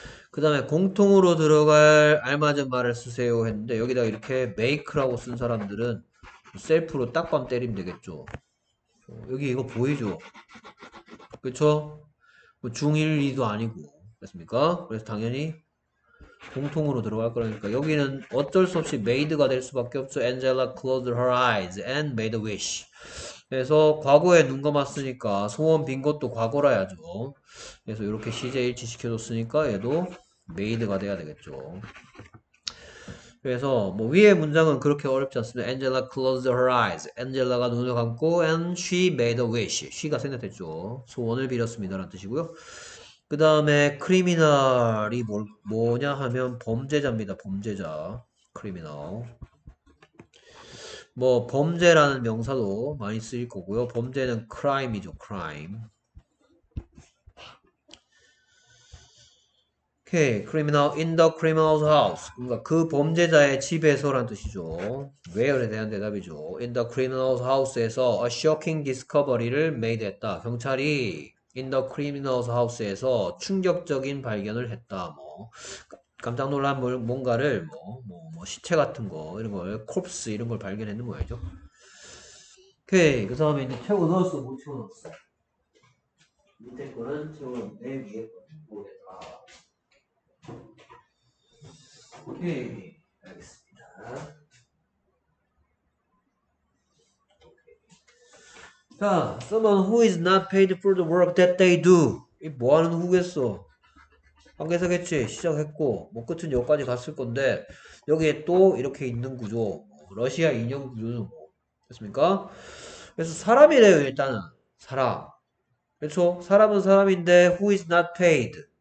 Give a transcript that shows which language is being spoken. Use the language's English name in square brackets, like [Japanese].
[Korean] 그다음에 공통으로 들어갈 알맞은 말을 쓰세요 했는데 여기다 이렇게 make라고 쓴 사람들은 셀프로 딱밤 때리면 되겠죠. 여기 이거 보이죠? 그렇죠? 뭐 중1이도 아니고 그렇습니까? 그래서 당연히 공통으로 들어갈 거라니까 여기는 어쩔 수 없이 메이드가 될 수밖에 없죠. [English] Angela closed her eyes and made a wish. [Korean] 그래서 과거에 눈 감았으니까 소원 빈 것도 과거라 해야죠. 그래서 이렇게 시제 일치시켜줬으니까 얘도 메이드가 돼야 되겠죠. 그래서 뭐 위에 문장은 그렇게 어렵지 않습니다. [English] Angela closed her eyes. [Korean] Angela가 눈을 감고 and she made a wish. she가 생각했죠. 소원을 빌었습니다라는 뜻이고요. 그 다음에 크리미널이 뭐냐 하면 범죄자입니다. 범죄자. 크리미널. 뭐 범죄라는 명사도 많이 쓰일 거고요. 범죄는 크라임이죠. 크라임. 오케이. 크리미널 [English] in the criminal's house. [Korean] 그러니까 그 범죄자의 집에서란 뜻이죠. where에 대한 대답이죠. [English] in the criminal's house에서 a shocking discovery를 made [Korean] 했다. 경찰이 [English] In the criminal's house에서 [Korean] 충격적인 발견을 했다. 뭐 깜짝 놀란 뭔가를 뭐 시체 같은 거 이런 걸 corpse 이런 걸 발견했는 모양이죠. 오케이 그 다음에 이제 채워 넣었어. 못 채워 넣었어. 밑에 거는 채워 넣었는데 위에 거는 모르겠다. 오케이 알겠습니다. [English] 자, someone who is not paid for the work that they do. [Korean] 이 뭐하는 후겠어? 관계사겠지. 시작했고 뭐 끝은 여기까지 갔을 건데 여기에 또 이렇게 있는 구조. 러시아 인형 구조는 뭐? 됐습니까? 그래서 사람이래요 일단은 사람. 그렇죠? 사람은 사람인데 [English] who is not paid.